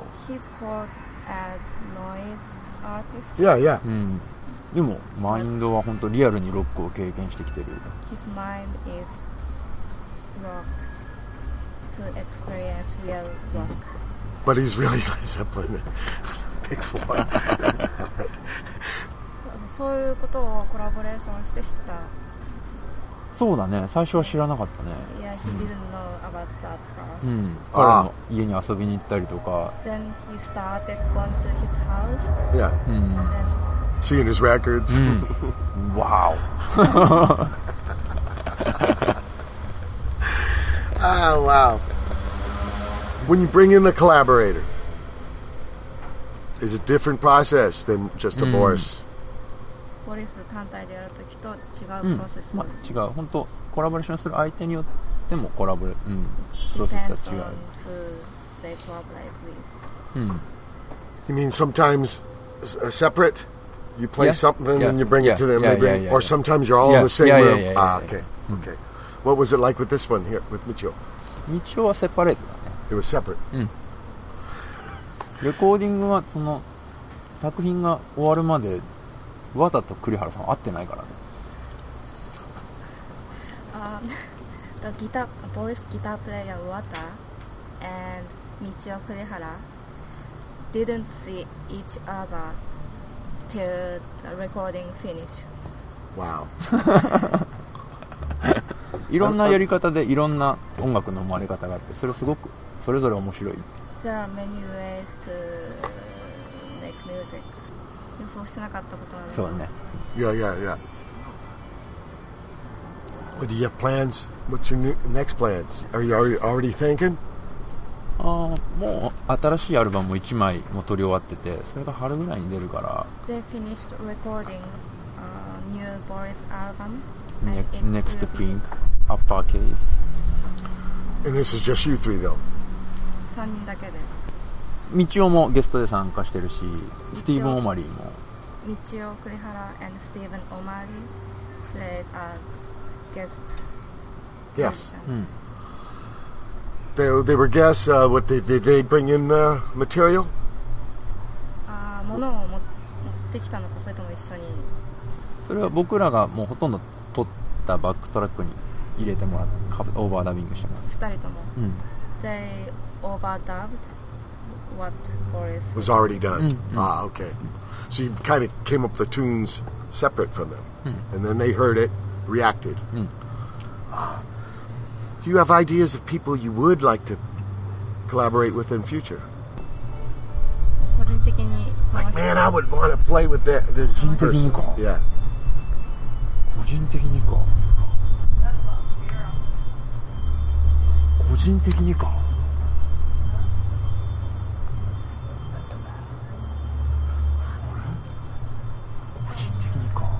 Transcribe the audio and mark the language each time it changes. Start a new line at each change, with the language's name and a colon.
English: He's called as noise artist.
Japanese: でもマインドは本当リアルにロックを経験してきてる。
English: His mind is rock to experience real rock. But he's really like Zeppelin, Pink Floyd.
Japanese: そういうことをコラボレーションして知った。そうだね、最初は知らなかったね。
English: Yeah, he didn't know about that first.
Japanese: 彼の家に遊びに行ったりとか。
English: Then he started going to his house. Yeah. Seeing his records. Wow. Oh, wow. When you bring in the collaborator, is it a different process than just a Boris?
Japanese: Boris 単体でやるときと違うプロセス。まあ違う、本当コラボレーションする相手によってもコラボレ、プロセスは違う。
English: Depends on who they collaborate with. You mean sometimes a separate, you play something and you bring it to them, or sometimes you're all in the same room. Okay. What was it like with this one here with Michio?
Japanese: Michio はセパレートだ
English: ね。It was separate.
Japanese: レコーディングはその作品が終わるまで。わざと栗原さん会ってないからね。
English: the guitar, Boris guitar player Wada and Michio Kurihara didn't see each other till the recording finished. Wow.
Japanese: いろんなやり方でいろんな音楽の生まれ方があって、それすごくそれぞれ面白い。
English: There are many ways to make music.
Japanese: 予想してなかったことなの。そうね。
English: Yeah, yeah, yeah. What do you have plans? What's your new, next plans? Are you already thinking?
Japanese: ああ、もう新しいアルバムも一枚も取り終わってて、それが春ぐらいに出るから。
English: They finished recording a new Boris album. Next to pink, uppercase. And this is just you three, though.
Japanese: 3人だけで。みちおもゲストで参加してるし、スティーブン・オマリーも。
English: みちお、栗原 and Stephen O'Malley plays as guest. Yes. They were guests. What did they bring in material?
Japanese: ものを持ってきたのか、それとも一緒に。それは僕らがもうほとんど撮ったバックトラックに入れてもらった、オーバーダビングしてもらった。二人とも。
English: They overdubbed what Boris was already done. Ah, okay. So you kind of came up the tunes separate from them, and then they heard it, reacted. Do you have ideas of people you would like to collaborate with in future?
Japanese: 個人的に。
English: Like, man, I would want to play with that. This
Japanese: 個人的にか。
English: Yeah.
Japanese: 個人的にか個人的にか個人的にか